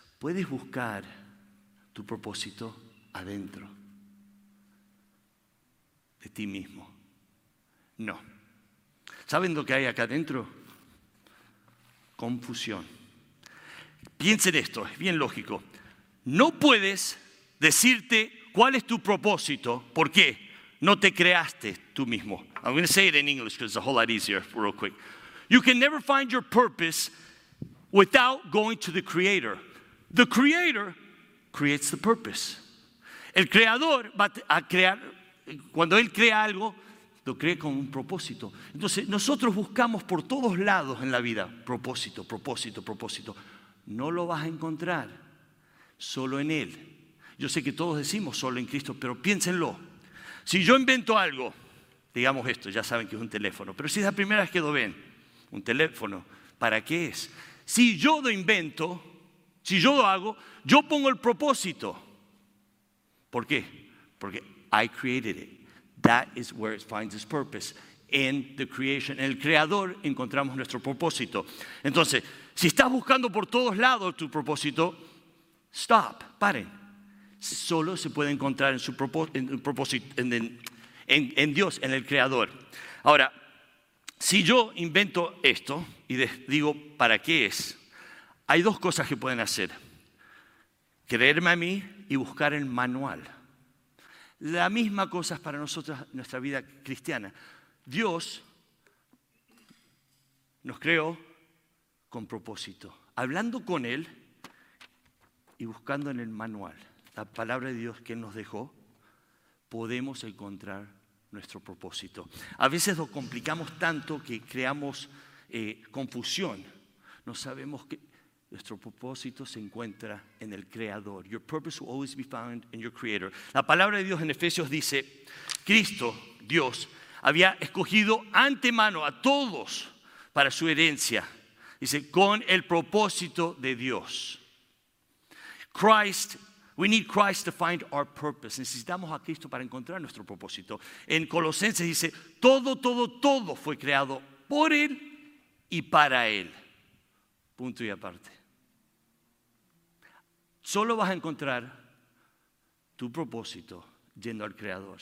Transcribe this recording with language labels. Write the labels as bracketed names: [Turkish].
[Spanish] Puedes buscar tu propósito adentro de ti mismo. No. ¿Saben lo que hay acá adentro? Confusión. Piensen esto, es bien lógico. No puedes decirte cuál es tu propósito, ¿por qué? No te creaste tú mismo. [English] I'm going to say it in English because it's a whole lot easier, real quick. You can never find your purpose without going to the Creator. The Creator creates the purpose. [Spanish] El Creador va a crear, cuando Él crea algo, lo crea con un propósito. Entonces, nosotros buscamos por todos lados en la vida propósito, propósito, propósito. No lo vas a encontrar solo en Él. Yo sé que todos decimos solo en Cristo, pero piénsenlo. Si yo invento algo, digamos esto, ya saben que es un teléfono, pero si es la primera vez que lo ven, un teléfono, ¿para qué es? Si yo lo invento, si yo lo hago, yo pongo el propósito. ¿Por qué? Porque [English] I created it. That is where it finds its purpose. In the creation, [Spanish] en el creador, encontramos nuestro propósito. Entonces, si estás buscando por todos lados tu propósito, [English] stop, [Spanish] paren. Solo se puede encontrar en su propósito, en Dios, en el Creador. Ahora, si yo invento esto y digo para qué es, hay dos cosas que pueden hacer: creerme a mí y buscar el manual. La misma cosa es para nosotros, nuestra vida cristiana. Dios nos creó con propósito, hablando con Él y buscando en el manual. La palabra de Dios que nos dejó, podemos encontrar nuestro propósito. A veces lo complicamos tanto que creamos confusión. No sabemos que nuestro propósito se encuentra en el Creador. [English] Your purpose will always be found in your Creator. [Spanish] La palabra de Dios en Efesios dice: Cristo, Dios, había escogido antemano a todos para su herencia. Dice, con el propósito de Dios. [English] Christ. We need Christ to find our purpose. [Spanish] Necesitamos a Cristo para encontrar nuestro propósito. En Colosenses dice, todo fue creado por Él y para Él. Punto y aparte. Solo vas a encontrar tu propósito yendo al Creador.